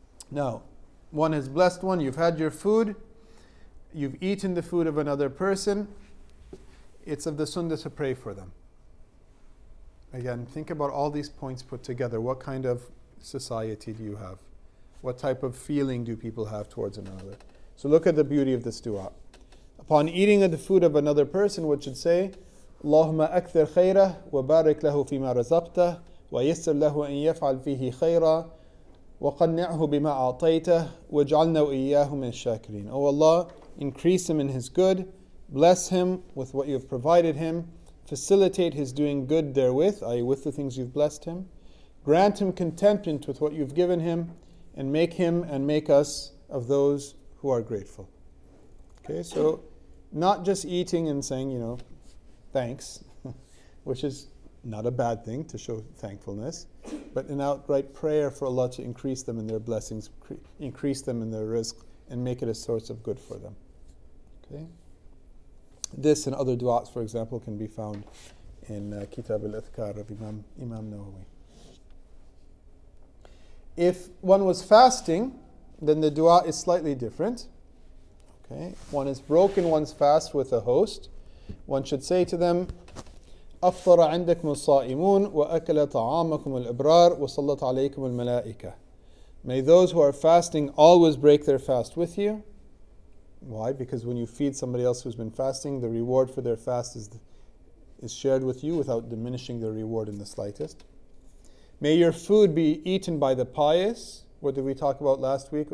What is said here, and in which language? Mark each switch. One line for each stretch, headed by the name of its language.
English: Now, one has blessed one, you've had your food, you've eaten the food of another person, it's of the sunnah to pray for them. Again, think about all these points put together. What kind of society do you have? What type of feeling do people have towards another? So look at the beauty of this dua. Upon eating of the food of another person, what should say?
Arabic: اللهم أكثر خيره وبارك له فيما رزقته ويسر له أن يفعل فيه خيرا وقنعه بما أعطيته واجعلنا وإياه من الشاكرين.
English: Oh Allah, increase him in his good, bless him with what you've provided him, facilitate his doing good therewith, i.e. with the things you've blessed him, grant him contentment with what you've given him, and make him and make us of those who are grateful. Okay, so not just eating and saying, you know, thanks, which is not a bad thing to show thankfulness, but an outright prayer for Allah to increase them in their blessings, increase them in their rizq, and make it a source of good for them. Okay, this and other du'as, for example, can be found in Kitab al-Adhkar of Imam Nawawi. If one was fasting, then the du'a is slightly different. Okay, one has broken one's fast with a host.
Arabic: One should say to them, أفطر عندكم الصائمون وأكل طعامكم الإبرار وصلت عليكم الملائكة.
English: May those who are fasting always break their fast with you. Why? Because when you feed somebody else who's been fasting, the reward for their fast is shared with you without diminishing the reward in the slightest. May your food be eaten by the pious. What did we talk about last week?